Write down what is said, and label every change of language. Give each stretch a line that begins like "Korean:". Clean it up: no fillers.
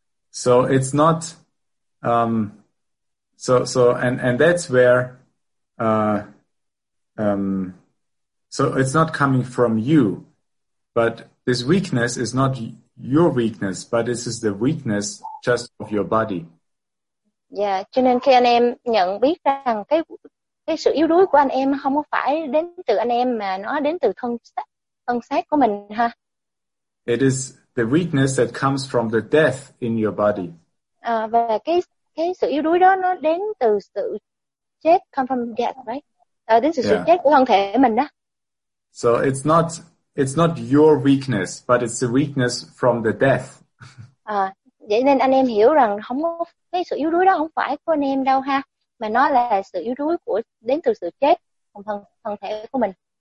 English: So it's not and that's where so it's not coming from you, but this weakness is not your weakness, but this is the weakness just of your body.
Vietnamese: Yeah, cho nên khi anh em nhận biết rằng cái sự yếu đuối của anh em không có phải đến từ anh em mà nó đến từ thân xác của mình ha.
English: It is the weakness that comes from the death in your body.
Vietnamese: Và cái sự yếu đuối đó nó đến từ sự chết,
English: come from death, right?
Vietnamese: Đến từ sự chết của thân thể mình đó.
English: So it's not your weakness, but it's the weakness from the death.
Vietnamese: Vậy nên anh em hiểu rằng không có cái sự yếu đuối đó không phải của anh em đâu ha, mà nó là sự yếu đuối của đến từ sự chết của thân thể của mình.